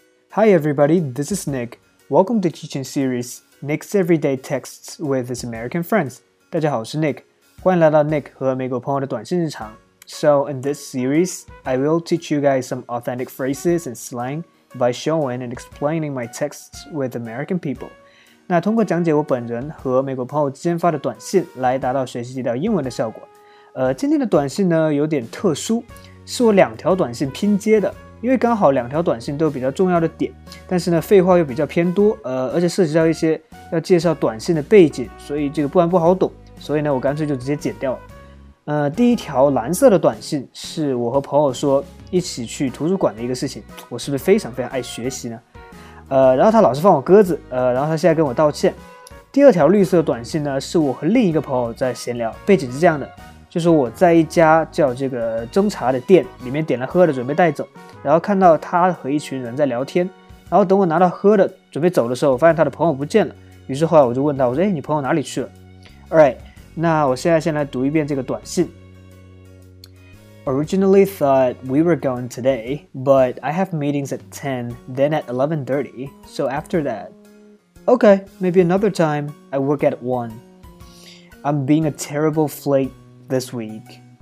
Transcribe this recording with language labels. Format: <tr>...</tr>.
<en>Hi everybody, this is Nick. Welcome to teaching series Nick's Everyday Texts with his American friends.</en> <zh>大家好，我是 Nick， 欢迎来到 Nick 和美国朋友的短信日常。</zh> <en>So in this series, I will teach you guys some authentic phrases and slang by showing and explaining my texts with American people.</en> <zh>那通过讲解我本人和美国朋友之间发的短信来达到学习到英文的效果。今天的短信呢有点特殊，是我两条短信拼接的，因为刚好两条短信都有比较重要的点，但是呢废话又比较偏多，而且涉及到一些要介绍短信的背景，所以这个不然不好懂，所以呢我干脆就直接剪掉了。第一条蓝色的短信是我和朋友说一起去图书馆的一个事情，我是不是非常非常爱学习呢？然后他老是放我鸽子，然后他现在跟我道歉。第二条绿色的短信呢是我和另一个朋友在闲聊，背景是这样的，就是我在一家叫这个蒸茶的店里面点了喝的准备带走，然后看到他和一群人在聊天，然后等我拿到喝的准备走的时候，我发现他的朋友不见了，于是后来我就问他，我说你朋友哪里去了？ Alright, 那我现在先来读一遍这个短信。</zh> <en>Originally thought we were going today, but I have meetings at 10, then at 11:30, so after that. Okay, maybe another time, I work at 1. I'm being a terrible flake this week.</en>